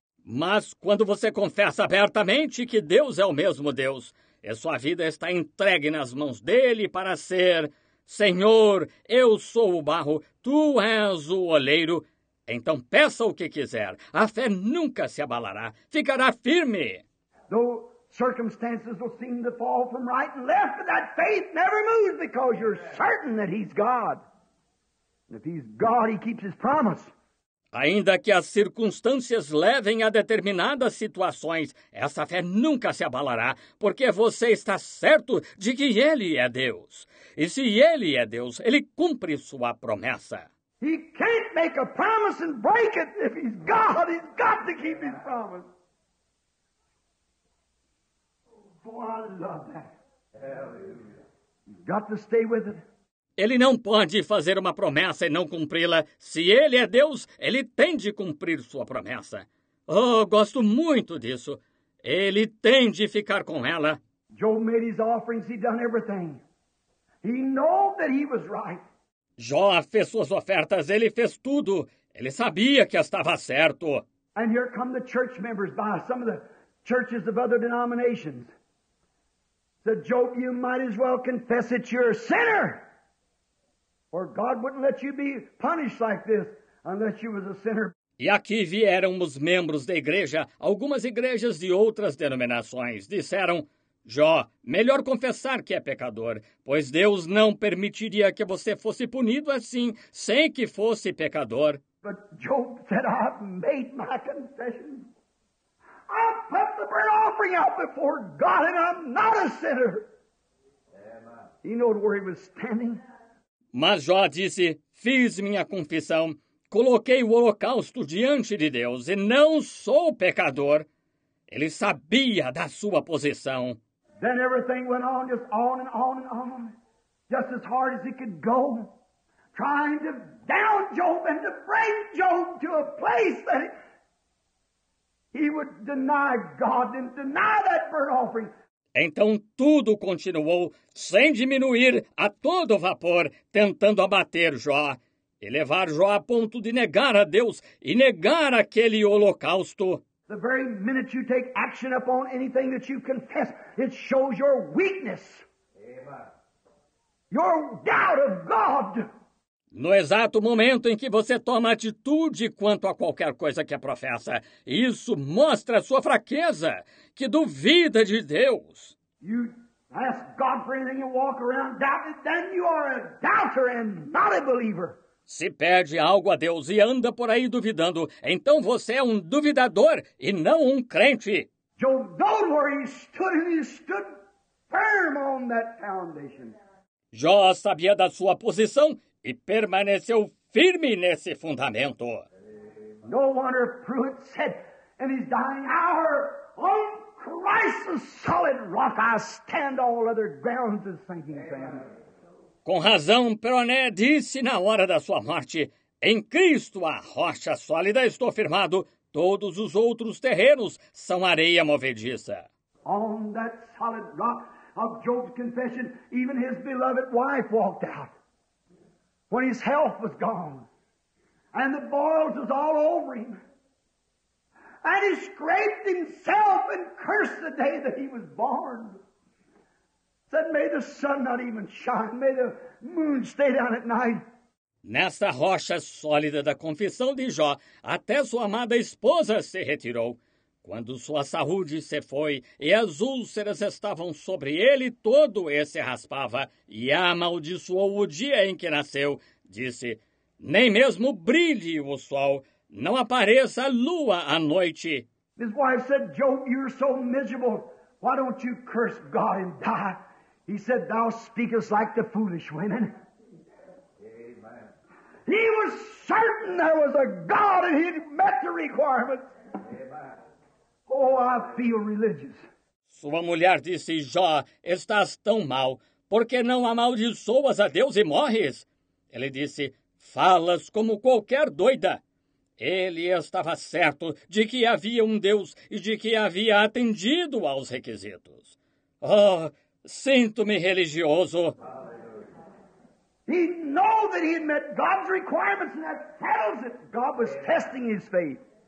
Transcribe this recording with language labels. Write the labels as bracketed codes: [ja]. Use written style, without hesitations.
[pt] Mas quando você confessa abertamente que Deus é o mesmo Deus, e sua vida está entregue nas mãos dele para ser, Senhor, eu sou o barro, tu és o oleiro, então peça o que quiser. A fé nunca se abalará, ficará firme. [en] Though circumstances will seem to fall from right and left, but that faith never moves because you're certain that he's God. And if he's God, he keeps his promise. [pt] Ainda que as circunstâncias levem a determinadas situações, essa fé nunca se abalará, porque você está certo de que Ele é Deus. E se Ele é Deus, Ele cumpre sua promessa. [en] He can't make a promise and break it. If he's God, he's got to keep his promise. Oh, I love that. Hallelujah. Got to stay with it. [pt] Ele não pode fazer uma promessa e não cumpri-la. Se ele é Deus, ele tem de cumprir sua promessa. Oh, gosto muito disso. Ele tem de ficar com ela. [en] Job made his offerings, he'd done everything. He knew that he was right. [pt] Jó fez suas ofertas, ele fez tudo. Ele sabia que estava certo. [en] And here come the church members by some of the churches of other denominations. Said, Job, you might as well confess that you're a sinner. Or God wouldn't let you be punished like this unless you was a sinner. [pt] E aqui vieram os membros da igreja, algumas igrejas de outras denominações. Disseram, Jó, melhor confessar que é pecador, pois Deus não permitiria que você fosse punido assim, sem que fosse pecador. [en] But Job said, I've made my confession. I put the burnt offering out before God and I'm not a sinner. He knew where he was standing. [pt] Mas Jó disse, fiz minha confissão, coloquei o holocausto diante de Deus e não sou pecador. Ele sabia da sua posição. [en] Then everything went on, just on and on and on, just as hard as it could go, trying to down Job and to bring Job to a place that he would deny God and deny that burnt offering. [pt] Então tudo continuou, sem diminuir, a todo vapor, tentando abater Jó e levar Jó a ponto de negar a Deus e negar aquele holocausto. [en] The very minute you take action upon anything that you confess, it shows your weakness. Amen. Your doubt of God. [pt] No exato momento em que você toma atitude quanto a qualquer coisa que a professa, isso mostra a sua fraqueza, que duvida de Deus. [en] You ask God for anything and walk around doubting, then you are a doubter and not a believer. [pt] Se pede algo a Deus e anda por aí duvidando, então você é um duvidador e não um crente. [en] Job knew where he stood firm on that foundation. [pt] Jó sabia da sua posição e permaneceu firme nesse fundamento. [en] No wonder Pruitt said, in his dying hour, on Christ's solid rock I stand, all other grounds is sinking sand. [pt] Com razão, Peronet disse na hora da sua morte, em Cristo a rocha sólida estou firmado, todos os outros terrenos são areia movediça. [en] On that solid rock of Job's confession, even his beloved wife walked out. When his health was gone, and the boils was all over him, and he scraped himself and cursed the day that he was born. Said, may the sun not even shine, may the moon stay down at night. [pt] Nesta rocha sólida da confissão de Jó, até sua amada esposa se retirou. Quando sua saúde se foi, e as úlceras estavam sobre ele, todo esse raspava, e amaldiçoou o dia em que nasceu, disse, nem mesmo brilhe o sol, não apareça a lua à noite. [en] His wife said, Job, you're so miserable, why don't you curse God and die? He said, thou speakest like the foolish women. Amen. He was certain there was a God and he met the requirements. Oh, I feel religious. [pt] Sua mulher disse, Jó, estás tão mal, por que não amaldiçoas a Deus e morres? Ele disse, falas como qualquer doida. Ele estava certo de que havia um Deus e de que havia atendido aos requisitos. Oh, sinto-me religioso. [en] He knew that he had met God's requirements, and that settles it. God was testing his faith.